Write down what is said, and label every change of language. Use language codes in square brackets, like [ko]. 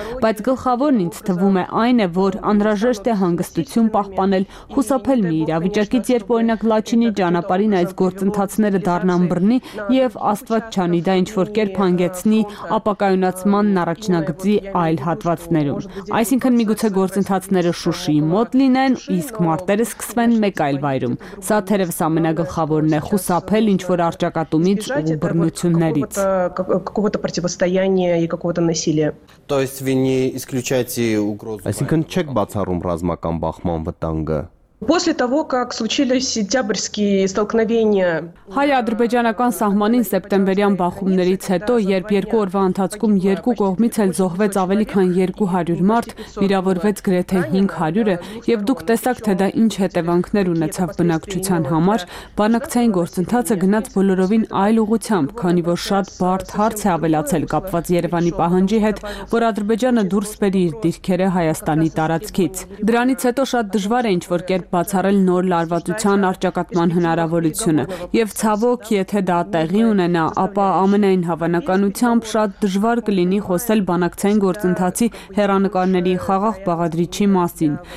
[hy] Բայց գլխավորն ինձ թվում է այն է, որ անհրաժեշտ է հանգստություն պահպանել, խուսափել մի իրավիճակից, երբ օրինակ Լաչինի ճանապարհին այս գործընթացները դառնան բռնի եւ աստված չանի, դա ինչ որ կերպ հանգեցնի ապակայունացման առաջնագծի այլ հատվածներում։ Այսինքն միգուցե գործընթացները Շուշիի մոտ լինեն, իսկ մարտերը սկսվեն մեկ այլ վայրում։ Սա թերևս ամենագլխավորն է, խուսափել ինչ որ արճակատումից ու բռնություններից։ [ru] Какого-то противостояния и какого-то насилия. То есть вы не исключаете угрозу. [hy] Այսինքն չեք բացառում ռազմական բախման վտանգը։ [ru] После того, как случились сентябрьские столкновения, [hy] հայ-ադրբեջանական սահմանին սեպտեմբերյան բախումներից հետո, երբ երկու օրվա ընթացքում երկու կողմից էլ զոհվեց ավելի քան 200 մարդ, վիրավորվեց գրեթե 500-ը, եւ դուք տեսաք, թե դա ինչ հետևանքներ ունեցավ բնակչության համար, բանակցային գործընթացը գնաց բոլորովին այլ ուղղությամբ, քանի որ շատ բարդ հարց է ավելացել կապված Երևանի պահանջի հետ, որ Ադրբեջանը դուրս բերի իր դիրքերը Հայաստանի տարածքից։ Դրանից հետո շատ դժվար է ինչ որ բացառել նոր լարվածության արճակատման հնարավորությունը, եւ ցավոք, եթե դա տեղի ունենա, ապա ամենայն հավանականությամբ շատ դժվար կլինի խոսել բանակցային գործընթացի հեռանկարների խաղաղ բաղադրիչի մասին,